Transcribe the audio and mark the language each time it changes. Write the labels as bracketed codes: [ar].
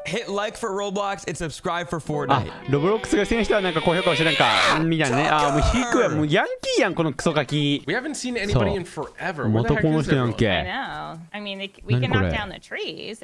[en] Hit like for Roblox and subscribe for Fortnite. [ja] あ、ロブロックスが好きな人はなんか高評価をしてなんか、みたいなね。あ、もう低いわ。もうヤンキーやん、このクソガキ。 [en] We haven't seen anybody in forever. [ja] またこの人やんけ。 [en] I know. I mean, we can knock down the trees.